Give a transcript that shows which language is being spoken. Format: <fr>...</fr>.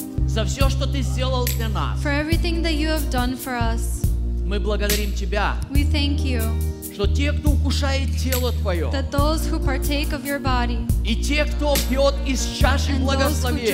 <ru>За все, что Ты сделал для нас.</ru> <en>For everything that you have done for us.</en> <ru>Мы благодарим Тебя.</ru> <en>We thank you.</en> <ru>Что те, кто укушает тело Твое.</ru> <en>That those who partake of your body.</en> <ru>И те, кто пьет из чаши благословения.</ru>